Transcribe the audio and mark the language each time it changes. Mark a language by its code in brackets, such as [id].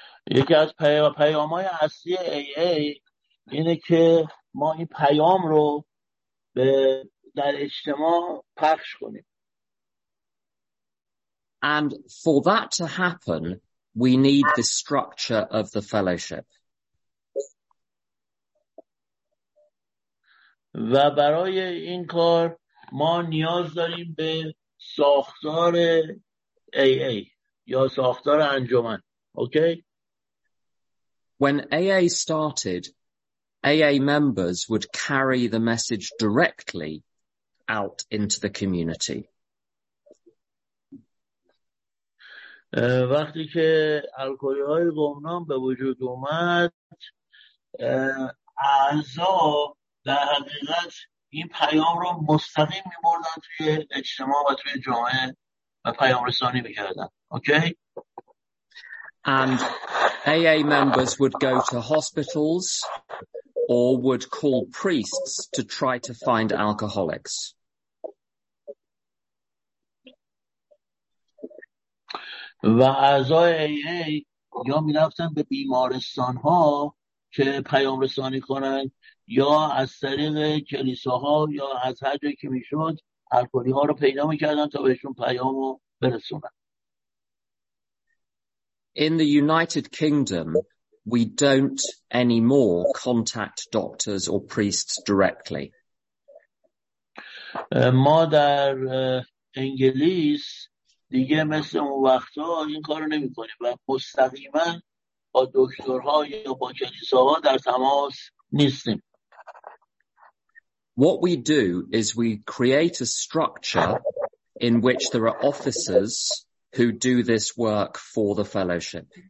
[fa] یکی از پیام‌های اصلی AA اینه که ما این پیام رو به در اجتماع پخش کنیم. [en] And for that to happen, we need the structure of the fellowship. [fa] و برای این کار ما نیاز داریم به ساختار AA یا ساختار انجمن. اوکی؟ [en] When AA started, AA members would carry the message directly out into the community. [fa] وقتی که الکلی‌های گمنام به وجود اومد، اعضا در حقیقت این پیام رو مستقیم می‌بردن توی اجتماع و توی جامعه و پیام رسانی می‌کردن. اوکی؟ [en] And AA members would go to hospitals or would call priests to try to find alcoholics. [fa] و اعضای AA یا می‌رفتن به بیمارستان‌ها که پیام رسانی کنن یا از طریق کلیساها یا از هر جایی که می‌شد الکلی‌ها رو پیدا می‌کردن تا بهشون پیام رو برسونن. [en] In the United Kingdom, we don't anymore contact doctors or priests directly. [fa] ما در انگلیس دیگه مثل اون وقتا این کارو نمی‌کنیم و مستقیما با دکترها یا با کلیساها در تماس نیستیم. [en] What we do is we create a structure in which there are officers who do this work for the fellowship.